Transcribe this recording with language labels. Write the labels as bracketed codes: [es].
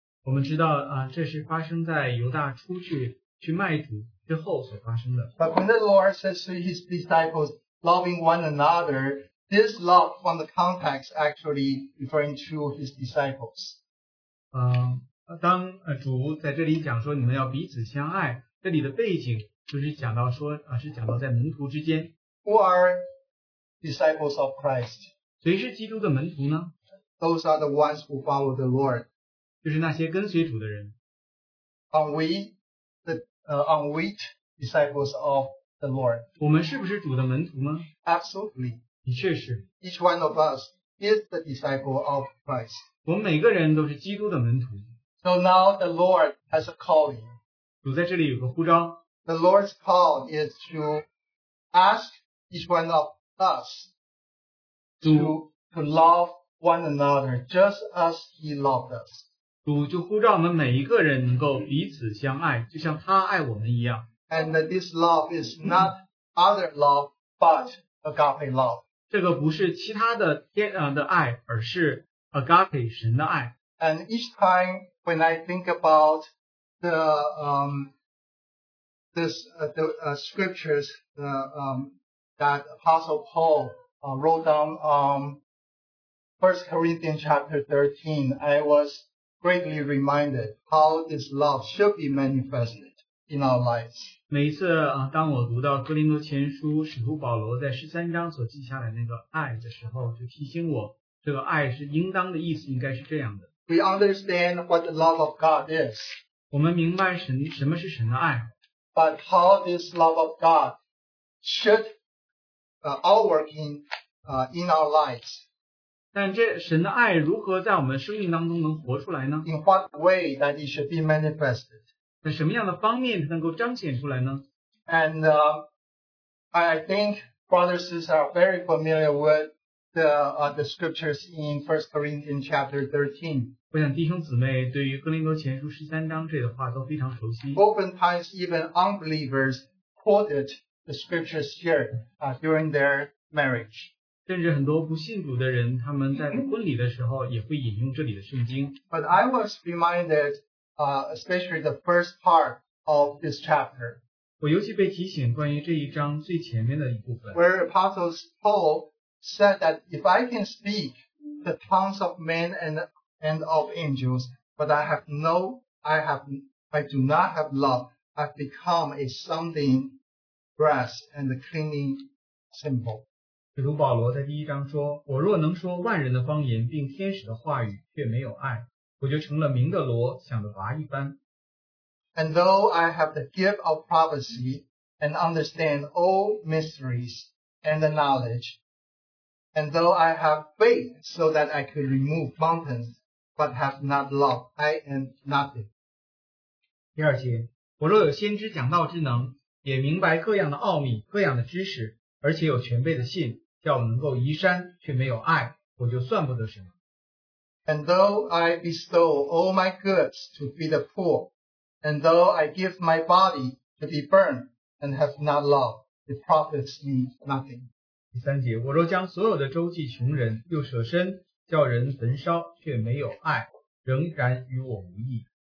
[zh] 我们知道这是发生在犹大出去去卖主之后所发生的。 [en] But when the Lord says to his disciples, loving one another, this love from the context actually referring to his disciples. [zh] 当主在这里讲说你们要彼此相爱，这里的背景就是讲到说是讲到在门徒之间。 [en] Who are disciples of Christ? [zh] 谁是基督的门徒呢？ [en] Those are the ones who follow the Lord. [zh] 就是那些跟随主的人。 [en] Are we disciples of the Lord? [zh] 我们是不是主的门徒吗？ [en] Absolutely. [zh] 的确是。 [en] Each one of us is the disciple of Christ. [zh] 我们每个人都是基督的门徒。 [en] So now the Lord has a calling. [zh] 主在这里有个呼召。 [en] The Lord's call is to ask each one of us to love one another just as he loved us. [zh] 主就呼召我们每一个人能够彼此相爱，就像他爱我们一样。 [en] And this love is not other love, but agape love. [zh] 这个不是其他的的爱，而是 agape 神的爱。 [en] And each time when I think about the scriptures that Apostle Paul wrote down First Corinthians chapter 13, I was greatly reminded how this love should be manifested in our lives. [zh] 每一次当我读到哥林多前书使徒保罗在十三章所记下来那个爱的时候，就提醒我这个爱是应当的意思应该是这样的。 [en] We understand what the love of God is. [zh] 我们明白神什么是神的爱。 [en] But how this love of God should outworking in our lives. [zh] 但这神的爱如何在我们生命当中能活出来呢？ [en] In what way that it should be manifested. [zh] 在什么样的方面它能够彰显出来呢？ [en] And I think brothers and sisters are very familiar with the scriptures in 1 Corinthians chapter 13. [zh] 我想弟兄姊妹对于哥林多前书十三章这的话都非常熟悉。 [en] Oftentimes even unbelievers quoted the scriptures here during their marriage. [zh] 甚至很多不信主的人他们在婚礼的时候也会引用这里的圣经。 [en] But I was reminded especially the first part of this chapter. [zh] 我尤其被提醒关于这一章最前面的一部分。 [en] Where Apostle Paul said that if I can speak the tongues of men and of angels, but I do not have love, I've become a sounding brass and a clinging cymbal. [zh] 使徒保罗在第一章说，我若能说万人的方言并天使的话语，却没有爱，我就成了鸣的锣，响的拔一般。 [en] And though I have the gift of prophecy and understand all mysteries and the knowledge, and though I have faith so that I could remove mountains, but have not love, I am nothing. [zh] 第二节，我若有先知讲道之能，也明白各样的奥秘、各样的知识，而且有全备的信，叫我能够移山，却没有爱，我就算不得什么。 [en] And though I bestow all my goods to feed the poor, and though I give my body to be burned, and have not love, it profits me nothing. [zh] 第三节，我若将所有的周济穷人，又舍身叫人焚烧却没有爱，仍然与我无异。